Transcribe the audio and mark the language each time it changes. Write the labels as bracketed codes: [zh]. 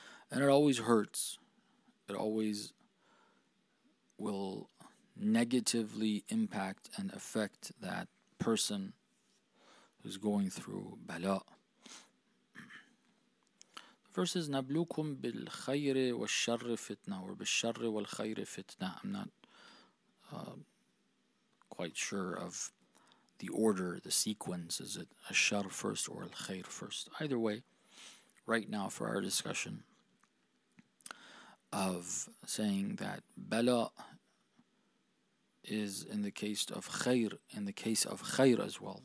[en] And it always hurts. It always will negatively impact and affect that person who's going through bala. [ar] Verses نَبْلُوكُمْ بِالْخَيْرِ وَالشَّرِّ فِتْنَةً or بِالشَّرِّ وَالْخَيْرِ فِتْنَةً. [en] I'm not quite sure of the order, the sequence. Is it الشَّر first or الخَيْر first? Either way, right now for our discussion of saying that بَلَى is in the case of خَيْر, in the case of خَيْر as well.